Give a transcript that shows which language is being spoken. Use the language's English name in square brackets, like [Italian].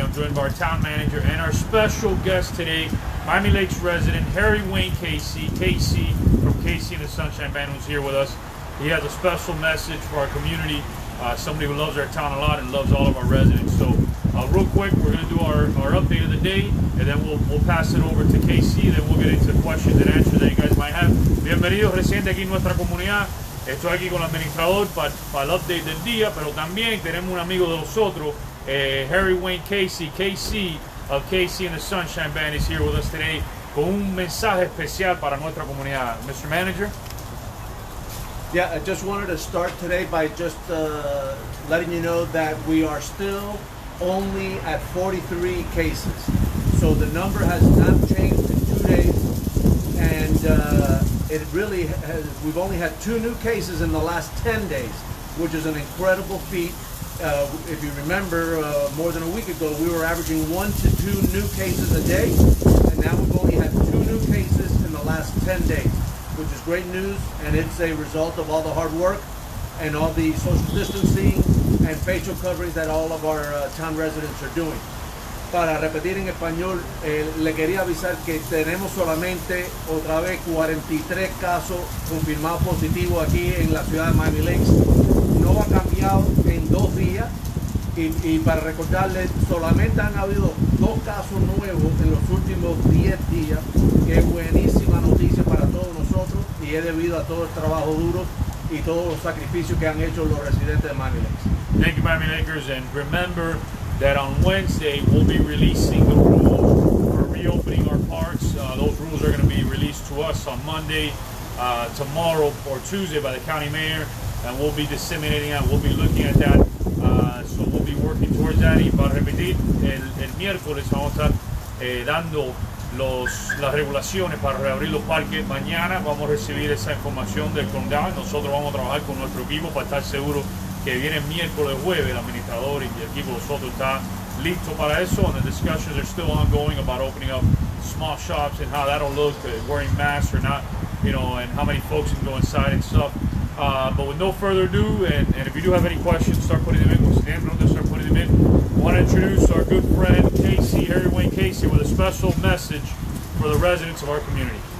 [English] I'm joined by our town manager and our special guest today, Miami Lakes resident Harry Wayne Casey, Casey from Casey and the Sunshine Band, who's here with us. He has a special message for our community, somebody who loves our town a lot and loves all of our residents. So real quick, we're going to do our update of the day, and then we'll pass it over to Casey, and then we'll get into questions and answers that you guys might have. [Spanish] Bienvenidos residentes aquí en nuestra comunidad. Estoy aquí con el administrador para el update del día, pero también tenemos un amigo de nosotros, Harry Wayne Casey. [English] Casey of Casey and the Sunshine Band is here with us today [Spanish] con un mensaje especial para nuestra comunidad. [English] Mr. Manager? Yeah, I just wanted to start today by just letting you know that we are still only at 43 cases. So the number has not changed in 2 days, and it really has, we've only had 2 new cases in the last 10 days, which is an incredible feat. If you remember, more than a week ago, we were averaging 1 to 2 new cases a day, and now we've only had 2 new cases in the last 10 days, which is great news, and it's a result of all the hard work and all the social distancing and facial coverings that all of our town residents are doing. [Spanish] Para repetir en español, le quería avisar que tenemos solamente otra vez 43 casos confirmados positivos aquí en la ciudad de Miami Lakes. No ha cambiado en 2 días. Y para recordarles, solamente han habido 2 casos nuevos en los últimos 10 días, que es buenísima noticia para todos nosotros y es debido a todo el trabajo duro y todos los sacrificios que han hecho los residentes de Miami Lakes. [English] Thank you, Miami Lakers, and remember that on Wednesday, we'll be releasing the rules for reopening our parks. Those rules are going to be released to us on Monday, tomorrow or Tuesday by the county mayor, and we'll be disseminating that. We'll be looking at that. So we'll be working towards that. [Spanish] Y para repetir, el miércoles vamos a estar dando las regulaciones para reabrir los parques. Mañana vamos a recibir esa información del condado. Nosotros vamos a trabajar con nuestro equipo para estar seguro que viene el miércoles, jueves, el administrador y el equipo de nosotros está listo para eso. [English] And the discussions are still ongoing about opening up small shops and how that'll look, wearing masks or not, you know, and how many folks can go inside and stuff. But with no further ado, and if you do have any questions, start putting them in. We'll stand on this, start putting them in. I want to introduce our good friend, Casey, Harry Wayne Casey, with a special message for the residents of our community.